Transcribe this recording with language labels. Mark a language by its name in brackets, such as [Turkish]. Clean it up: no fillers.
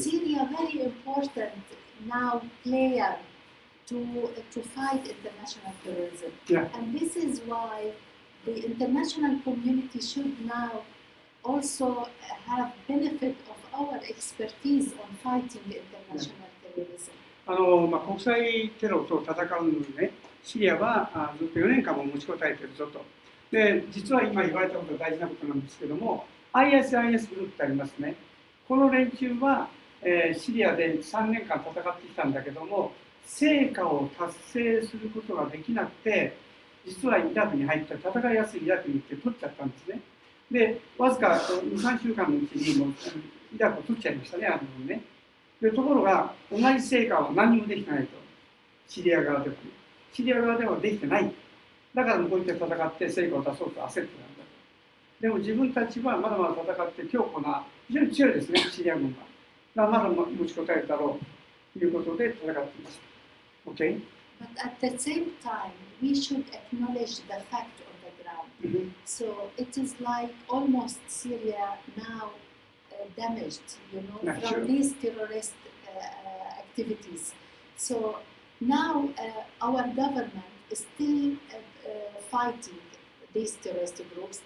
[English] Syria very important now player to fight international terrorism. Yeah. And this is why the international community should now also have benefit of our expertise on fighting international terrorism. [Japanese] 国際テロと戦うのにね、シリアはずっと4年間も持ちこたえてるぞと。で、実は今言われたことが大事なことなんですけども、ISIS グループってありますね。この連中は、シリアで3年間戦ってきたんだけども、成果を達成することができなくて、実はイラクに入った、戦いやすいイラクに行って取っちゃったんですね。で、わずか2、3週間のうちにもイラクを取っちゃいましたね、あのね。で、ところが、同じ成果は何もできないと、シリア側でも。シリア側でもできてない。だから、こうやって戦って成果を出そうと焦ってたんだと。でも、自分たちはまだまだ戦って強固な、非常に強いですね、シリア軍は。まだ持ちこたえるだろうということで戦っています。 [English] Okay. But at the same time, we should acknowledge the fact on the ground. Mm-hmm. So it is like almost Syria now damaged, you know, not from sure. these terrorist activities. So now our government is still fighting these terrorist groups.